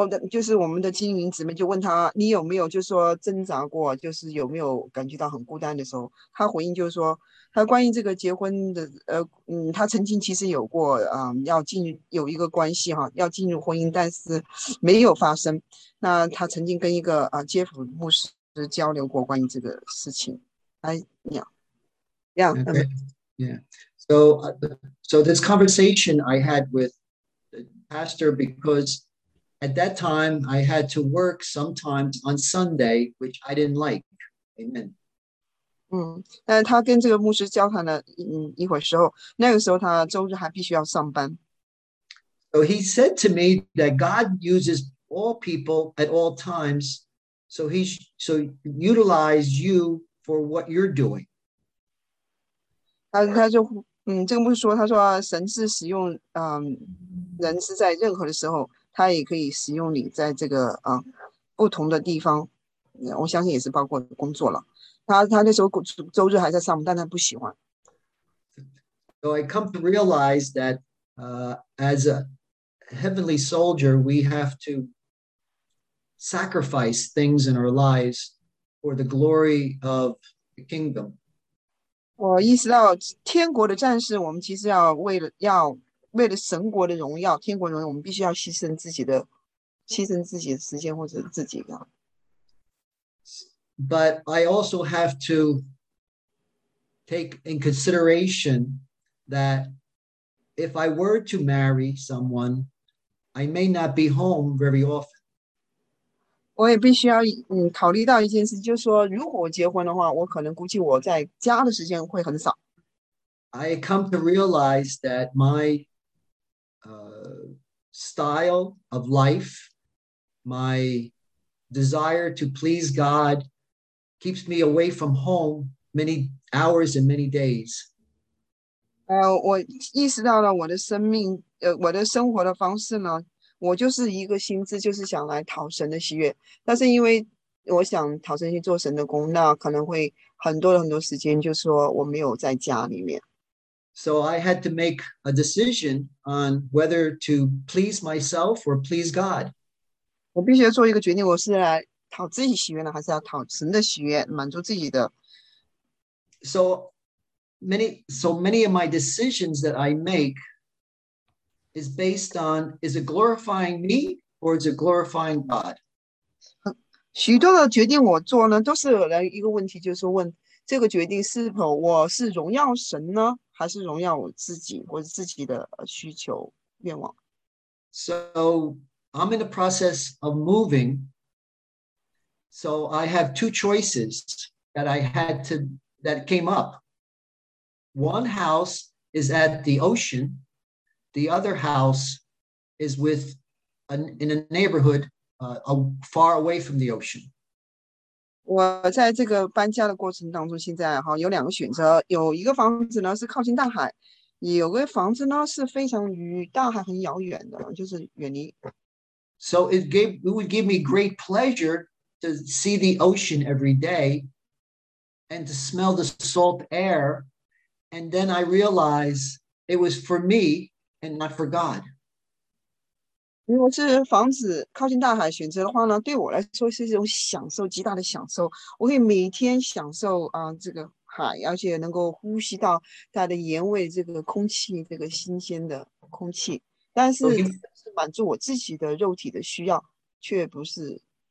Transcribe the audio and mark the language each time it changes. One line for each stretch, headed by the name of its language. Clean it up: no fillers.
Chinese: 就是我们的金云姊妹就问他，你有没有就是说挣扎过，就是有没有感觉到很孤单的时候，他回应就是说他关于这个结婚的他曾经其实有过要进有一个关系哈，要进入婚姻，但是没有发生。那他曾经跟一个杰夫牧师交流过关于这个事情。哎呀呀。
English: So this conversation I had with the pastor, because at that time I had to work sometimes on Sunday, which I didn't like. Amen.
Chinese: 他跟这个牧师交谈了一会儿时候，那个时候他周日还必须要上班。
English: So he said to me that God uses all people at all times, so utilize you for what you're doing.
Chinese: 这个牧师说，他说神是使用人是在任何的时候，他也可以使用你在这个不同的地方，我相信也是包括工作了。他那时候周日还在上班，但他不喜欢。
English: So I come to realize that as a heavenly soldier, we have to sacrifice things in our lives for the glory of the kingdom.
Chinese: 我意识到天国的战士，我们其实要为了神国的荣耀，天国荣耀，我们必须要牺牲自己的时间或者自己的。
English: But I also have to take in consideration that if I were to marry someone, I may not be home very often.
Chinese: 我也必须要考虑到一件事，就是说如果我结婚的话，我可能估计我在家的时间会很少。
English: I come to realize that my style of life, my desire to please God, keeps me away from home many hours and many days.
Chinese: 我意识到了我的生命，我的生活的方式呢，我就是一个心智，就是想来讨神的喜悦，但是因为我想讨神去做神的工，那可能会很多很多时间，就是说我没有在家里面。
English: So I had to make a decision on whether to please myself or please God.
Chinese: 我必须要做一个决定，我是来讨自己喜悦呢，还是要讨神的喜悦，满足自己的。
English: So many of my decisions that I make. Is based on, is it glorifying me or is it glorifying God?
Chinese: 许多的决定我做呢，都是来一个问题，就是问这个决定是否我是荣耀神呢，还是荣耀我自己或者自己的需求愿望。
English: So I'm in the process of moving. So I have two choices that I had to, that came up. One house is at the ocean. The other house is with in a neighborhood far away from the ocean.
Chinese: 我在这个搬家的过程当中，现在哈有两个选择，有一个房子呢是靠近大海，有个房子呢是非常与大海很遥远的，就是远离。
English: So it would give me great pleasure to see the ocean every day, and to smell the salt air, and then I realize it was for me. And not for God.
Chinese: 如果是房子靠近大海选择的话呢，对我来说是一种享受，极大的享受。我可以每天享受这个海，而且能够呼吸到它的盐味，这个空气，这个新鲜的空气。但是是满足我自己的肉体的需要，却不是。